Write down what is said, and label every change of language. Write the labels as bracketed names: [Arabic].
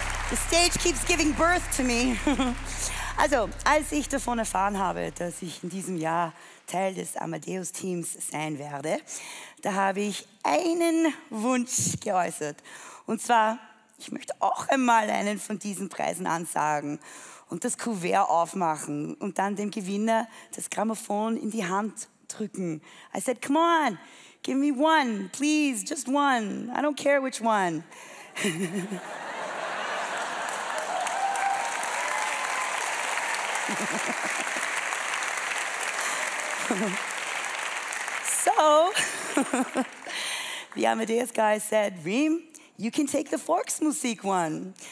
[English] The stage keeps giving birth to me. [German] Also, als ich davon erfahren habe, dass ich in diesem Jahr Teil des Amadeus-Teams sein werde, da habe ich einen Wunsch geäußert. Und zwar, ich möchte auch einmal einen von diesen Preisen ansagen und das Kuvert aufmachen und dann dem Gewinner das Grammophon in die Hand drücken. [English] I said, come on, give me one, please, just one. I don't care which one. So, the Amadeus guy said, Reem, you can take the Volksmusik one.